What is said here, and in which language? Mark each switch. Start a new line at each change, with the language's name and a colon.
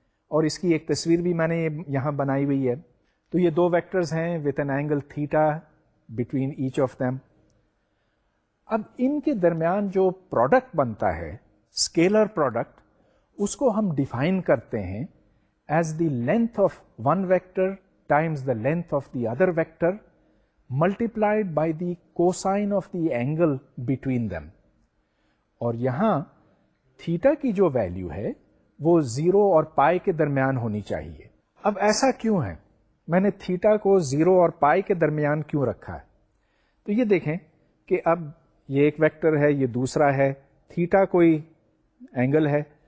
Urdu: اور اس کی ایک تصویر بھی میں نے یہاں بنائی ہوئی ہے. تو یہ دو ویکٹرز ہیں
English: With an angle theta between each of them.
Urdu: اب ان کے درمیان جو پروڈکٹ بنتا ہے, اسکیلر پروڈکٹ, اس کو ہم ڈیفائن کرتے ہیں
English: as the length of one vector times the length of the other vector multiplied by the cosine of the angle between them.
Urdu: اور یہاں تھیٹا کی جو ویلیو ہے وہ زیرو اور پائی کے درمیان ہونی چاہیے. اب ایسا کیوں ہے, میں نے تھیٹا کو زیرو اور پائی کے درمیان کیوں رکھا ہے؟ تو یہ دیکھیں کہ اب یہ ایک ویکٹر ہے, یہ دوسرا ہے, تھیٹا کوئی اینگل ہے.